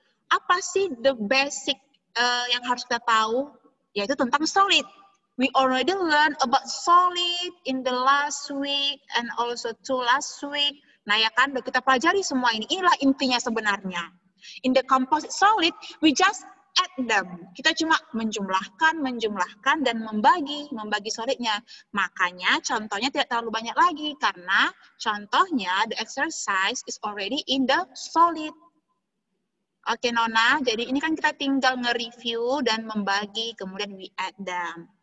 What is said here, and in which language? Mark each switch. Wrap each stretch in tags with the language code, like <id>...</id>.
<id>Apa sih</id> <en>the basic</en> <id>yang harus kita tahu? Yaitu tentang solid.</id> <en>We already learn about solid in the last week and also two last week.</en> <id>Nah ya kan, udah kita pelajari semua ini. Inilah intinya sebenarnya.</id> <en>In the composite solid, we just add them.</en> <id>Kita cuma menjumlahkan dan membagi solidnya. Makanya contohnya tidak terlalu banyak lagi karena contohnya</id> <en>the exercise is already in the solid.</en> <id>Oke, Nona, jadi ini kan kita tinggal nge-review dan membagi, kemudian</id> <en>we add them.</en>